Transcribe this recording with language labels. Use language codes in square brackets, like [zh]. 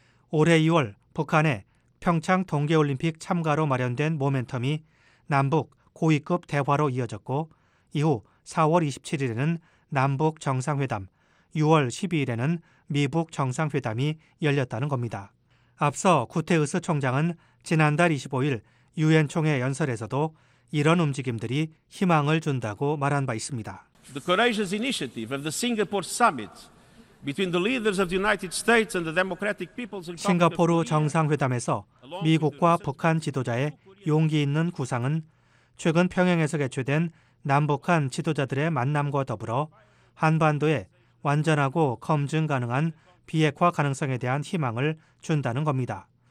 [ko] 올해 2월 북한의 평창 동계올림픽 참가로 마련된 모멘텀이 남북 고위급 대화로 이어졌고 이후 4월 27일에는 남북 정상회담, 6월 12일에는 미북 정상회담이 열렸다는 겁니다. 앞서 구테흐스 총장은 지난달 25일 유엔 총회 연설에서도 이런 움직임들이 희망을 준다고 말한 바 있습니다. [en] The courageous initiative of the Singapore summit between the leaders of the United States and the Democratic People's Republic. [ko] 싱가포르 정상회담에서 미국과 북한 지도자의 용기 있는 구상은 최근 평양에서 개최된 남북한 지도자들의 만남과 더불어 한반도의 완전하고 검증 가능한 비핵화 가능성에 대한 희망을 준다는 겁니다.